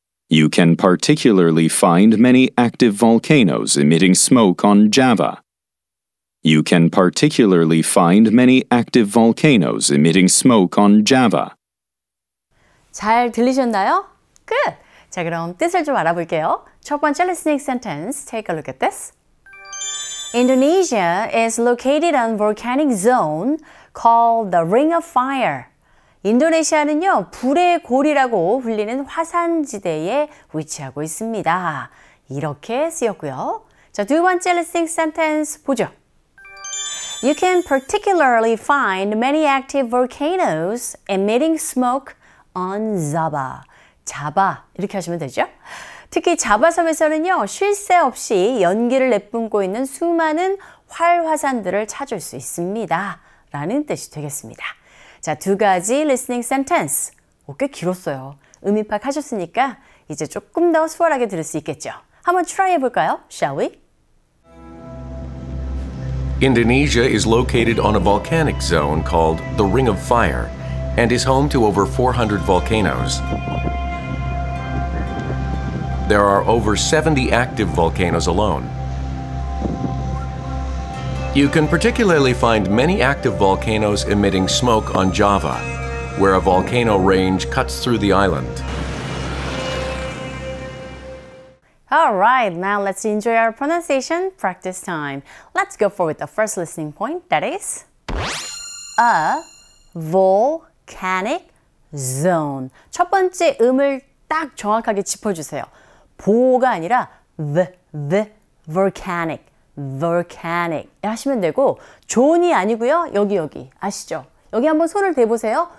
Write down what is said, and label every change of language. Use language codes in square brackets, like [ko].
[en] You can particularly find many active volcanoes emitting smoke on Java. You can particularly find many active volcanoes emitting smoke on Java. [ko] 잘 들리셨나요? [en] Good! [ko] 자, 그럼 뜻을 좀 알아볼게요. 첫 번째 [en] listening sentence, take a look at this. Indonesia is located on volcanic zone called the Ring of Fire. [ko] 인도네시아는요, 불의 골이라고 불리는 화산지대에 위치하고 있습니다. 이렇게 쓰였고요. 자, 두 번째 [en] listening sentence [ko] 보죠. [en] You can particularly find many active volcanoes emitting smoke on Java. [ko] 자바, 이렇게 하시면 되죠. 특히 자바섬에서는요, 쉴 새 없이 연기를 내뿜고 있는 수많은 활화산들을 찾을 수 있습니다. 라는 뜻이 되겠습니다. 자, 두 가지 [en] listening sentence. [ko] 꽤 길었어요. 의미 파악하셨으니까 이제 조금 더 수월하게 들을 수 있겠죠. 한번 [en] try [ko] 해볼까요? [en] Shall we? Indonesia is located on a volcanic zone called the Ring of Fire and is home to over 400 volcanoes. There are over 70 active volcanoes alone. You can particularly find many active volcanoes emitting smoke on Java, where a volcano range cuts through the island. All right, now let's enjoy our pronunciation practice time. Let's go for with the first listening point, that is a volcanic zone. [ko] 첫 번째 음을 딱 정확하게 짚어주세요. 보호가 아니라 volcanic 하시면 되고 존이 아니고요. 여기 아시죠? 여기 한번 손을 대보세요.